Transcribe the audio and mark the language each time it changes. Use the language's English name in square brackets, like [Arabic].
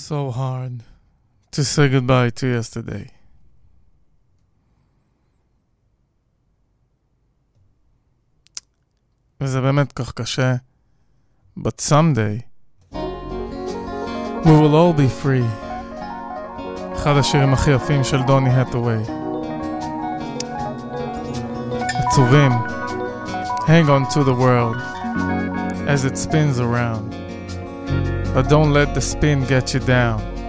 [English] hard to say goodbye to yesterday. [Hebrew] וזה באמת כך קשה. [English] But someday we will all be free. [Hebrew] אחד השירים הכי יפים של דוני הטווי. עצובים. [English] Hang on to the world as it spins around, but don't let the spin get you down.